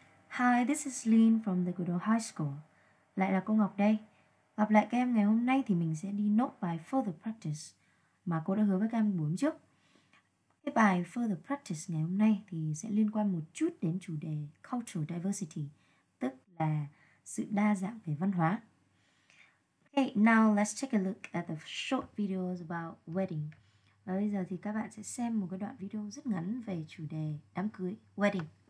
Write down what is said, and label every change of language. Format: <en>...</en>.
<en>Hi, this is Lynn from the Goodall High School.</en> <vi>Lại là cô Ngọc đây. Gặp lại các em ngày hôm nay thì mình sẽ đi nốt bài Further Practice mà cô đã hứa với các em buổi trước. Cái bài Further Practice ngày hôm nay thì sẽ liên quan một chút đến chủ đề Cultural Diversity, tức là sự đa dạng về văn hóa.</vi> <en>Okay, now let's take a look at the short videos about wedding.</en> <vi>Và bây giờ thì các bạn sẽ xem một cái đoạn video rất ngắn về chủ đề đám cưới, wedding.</vi>